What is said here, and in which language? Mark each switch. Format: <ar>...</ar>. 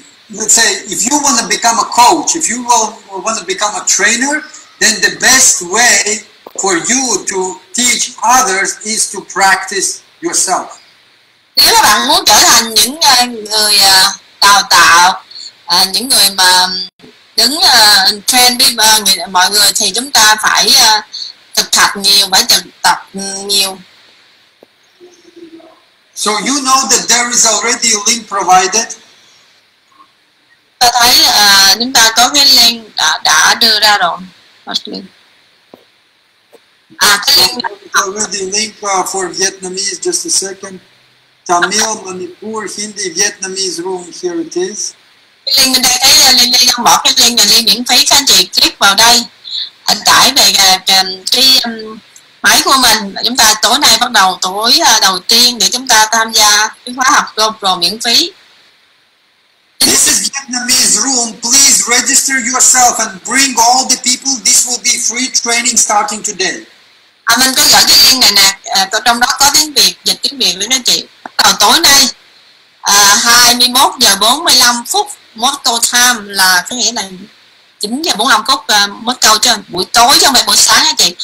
<en>Let's say if you want to become a coach, if you want to become a trainer, then the best way for you to teach others is to practice yourself.</en> <vi>Nếu mà bạn muốn trở thành những người đào tạo, những người mà đứng train với mọi người thì chúng ta phải thực tập nhiều, phải thực tập nhiều.</vi> <en>So you know that there is already a link provided.</en> <vi>Ta thấy chúng ta có cái link đã đưa ra rồi.</vi> <en>Already link for Vietnamese, just a second. Tamil, Manipur, Hindi, Vietnamese room, here it is.</en> <vi>Cái link bên đây, thấy link đang bỏ cái link là link miễn phí, các anh chị click vào đây. Anh tải về cái máy của mình. Chúng ta tối nay bắt đầu tối đầu tiên để chúng ta tham gia cái khóa học GoPro miễn phí.</vi> <en>This is Vietnamese room. Please register yourself and bring all the people. This will be free training starting today.</en> <vi>Mình có gửi cái link này nè. Trong đó có tiếng Việt, dịch tiếng Việt với anh chị. Vào tối nay 21 giờ 45 phút Moscow time, là có nghĩa là 9 giờ 45 phút Moscow, chứ buổi tối chứ không phải buổi sáng anh chị.</vi>